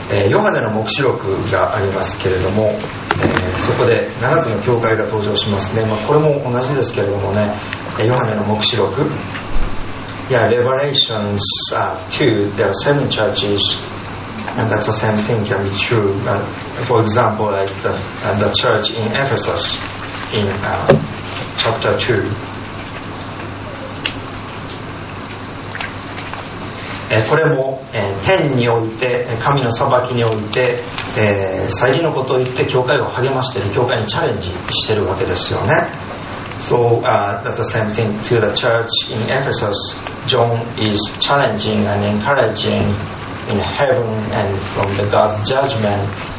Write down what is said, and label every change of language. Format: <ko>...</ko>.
<ja>ヨハネの黙示録がありますけれども、そこで7つの教会が登場しますね。まあ、これも同じですけれどもね、ヨハネの黙示録、</ja> <en>Yeah, Revelations 2, there are 7 churches, and that's the same thing can be true. But for example, like the church in Ephesus in chapter 2.</en> <ja>これも、天において神の裁きにおいて、再臨のことを言って教会を励ましている、教会にチャレンジしているわけですよね。</ja> <en>So that's the same thing to the church in Ephesus. John is challenging and encouraging in heaven and from the God's judgment.</en>